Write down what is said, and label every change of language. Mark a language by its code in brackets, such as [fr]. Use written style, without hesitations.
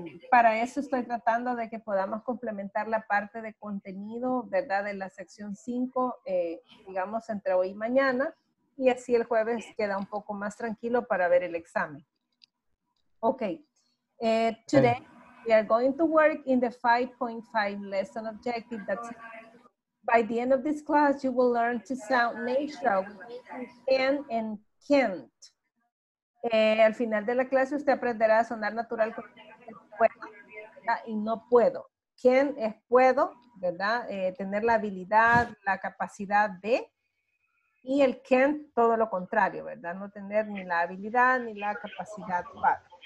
[es] Para eso estoy tratando de que podamos complementar la parte de contenido, ¿verdad? De la sección 5, digamos, entre hoy y mañana. Y así el jueves queda un poco más tranquilo para ver el examen. [en] Ok. Today. We are going to work in the 5.5 lesson objective. That's it. By the end of this class, you will learn to sound natural with can and can't. [es] Al final de la clase, usted aprenderá a sonar natural con puedo y no puedo. Can es puedo, ¿verdad? Tener la habilidad, la capacidad de. Y el can't, todo lo contrario, ¿verdad? No tener ni la habilidad ni la capacidad para.